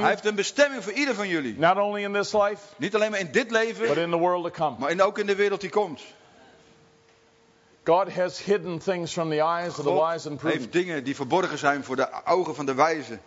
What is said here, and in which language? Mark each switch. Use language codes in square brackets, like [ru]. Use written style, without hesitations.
[nl] Hij heeft een bestemming voor ieder van jullie. [en] Not only in this life. [nl] Niet alleen maar in dit leven. [en] But in the world to come. [nl] Maar ook in de wereld die komt. [en] God has hidden things from the eyes of the wise and prudent. [nl] God heeft dingen die verborgen zijn voor de ogen van de wijze.